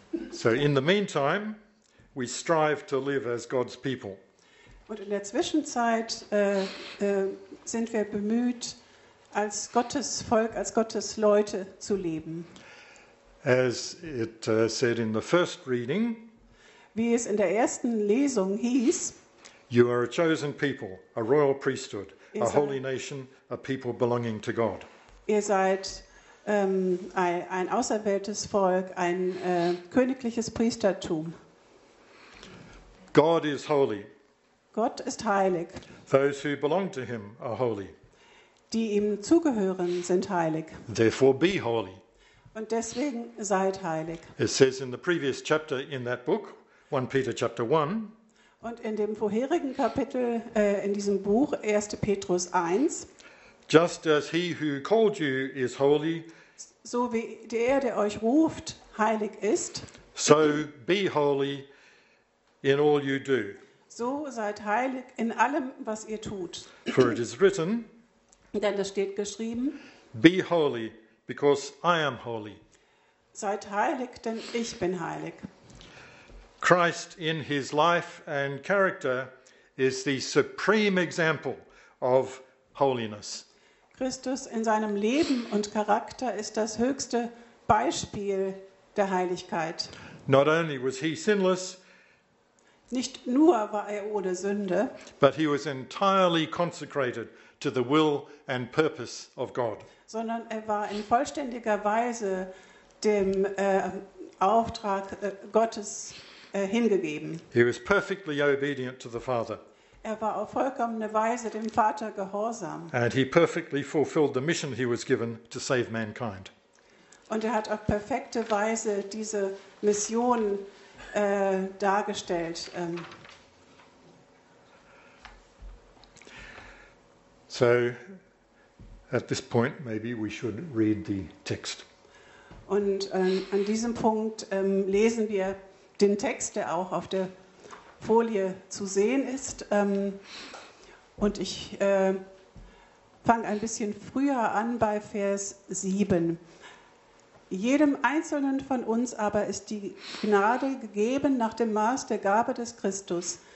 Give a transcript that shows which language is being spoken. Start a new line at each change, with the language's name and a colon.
English: So, in the meantime, we strive to live as God's people.
German: Und in der Zwischenzeit sind wir bemüht, als Gottes Volk, als Gottes Leute zu leben.
English: As it said in the first reading,
German: wie es in der ersten Lesung hieß,
English: you are a chosen people, a royal priesthood, a holy nation, a people belonging to God.
German: Ihr seid ein auserwähltes Volk, ein königliches Priestertum.
English: God is holy.
German: Gott ist heilig.
English: Those who belong to him are holy.
German: Die ihm zugehören sind heilig.
English: Therefore be holy.
German: Und deswegen seid heilig.
English: It says in the previous chapter in that book, 1 Peter chapter 1.
German: Und in dem vorherigen Kapitel in diesem Buch, 1. Petrus 1.
English: Just as he who called you is holy,
German: so wie der, der euch ruft, heilig ist,
English: so be holy in all you do.
German: So seid heilig in allem, was ihr tut.
English: For it is written,
German: denn es steht geschrieben,
English: be holy, because I am holy.
German: Seid heilig, denn ich bin heilig.
English: Christ in his life and character is the supreme example of holiness.
German: Christus in seinem Leben und Charakter ist das höchste Beispiel der Heiligkeit.
English: Not only was he sinless,
German: nicht nur war er ohne Sünde,
English: but he was entirely consecrated to the will and purpose of God.
German: Sondern er war in vollständiger Weise dem Auftrag Gottes hingegeben.
English: He was perfectly obedient to the Father.
German: Er war auf vollkommene Weise dem Vater gehorsam.
English: And he perfectly fulfilled the mission he was given to save mankind.
German: Und er hat auf perfekte Weise diese Mission dargestellt.
English: So, at this point, maybe we should read the text.
German: Und an diesem Punkt lesen wir den Text, der auch auf der Folie zu sehen ist. Und ich fange ein bisschen früher an bei Vers 7. Jedem Einzelnen von uns aber ist die Gnade gegeben nach dem Maß der Gabe des Christus.